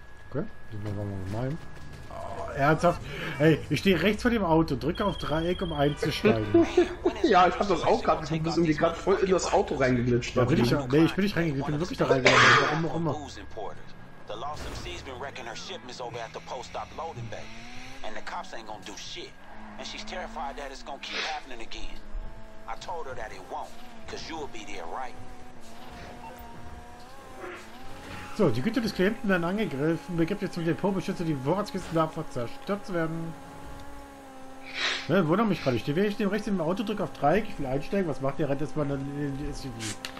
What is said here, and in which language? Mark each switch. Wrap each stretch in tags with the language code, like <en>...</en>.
<de>Okay, den machen wir mal rein. Oh, ernsthaft? Ey, ich stehe rechts vor dem Auto, drücke auf Dreieck, um einzusteigen. Ja, ich hab das auch gerade gesehen, bist du gerade voll in das Auto reingeglitscht. Da bin ich, nee, ich bin nicht reingeglitscht, ich bin wirklich da reingeglitscht. Warum auch immer.</de> <en>The Lost MC's been wrecking her shipments over at the post-op loading bay. And the cops ain't gonna do shit. And she's terrified that it's gonna keep happening again. I told her that it won't, cause you'll be there, right?</en> <de>So, die Güter des Klienten werden angegriffen. Begibt jetzt zum Depotbeschützer die Vorratskisten da vor zerstört zu werden. Ne, wundere mich gerade. Ich stehe rechts neben dem Auto, drücke auf Dreieck. Ich will einsteigen. Was macht der? Rennt erstmal in die SUV.</de>